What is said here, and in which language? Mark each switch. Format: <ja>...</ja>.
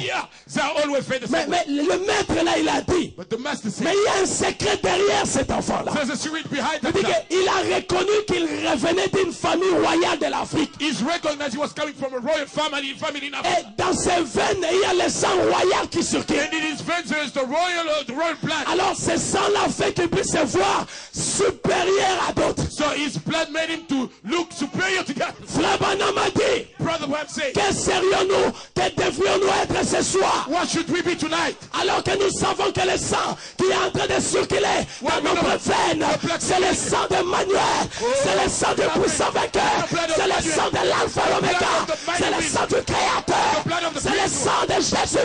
<en>They are always fed the same</en> <fr>mais le maître là, il a dit.</fr> <en>But the master said,</en> <fr>mais il y a un secret derrière cet enfant là.</fr> <en>There's a secret behind that.</en> <fr>Il a reconnu qu'il revenait d'une famille royale de l'Afrique.</fr> <en>He's recognized he was coming from a royal family in Africa.</en> <fr>Et dans ses veines, il y a le sang royal qui circule.</fr> <en>And in his veins, there's the royal blood.</en> <fr>Alors ce sang là fait qu'il puisse voir supérieur à d'autres.</fr> <en>So his blood made him to look superior to God.</en> <fr>Flabana m'a dit,</fr> <en>Brother Webb said,</en> <fr>que serions-nous, que devrions-nous être ce soir?</fr> <en>What should we be tonight?</en> <fr>Alors que nous savons que le sang qui est en train de circuler dans nos propres veines, c'est le sang de Manuel, c'est le sang du puissant vainqueur, c'est le sang de l'Alpha et l'Oméga, c'est le sang du Créateur, c'est le sang de Jésus</fr>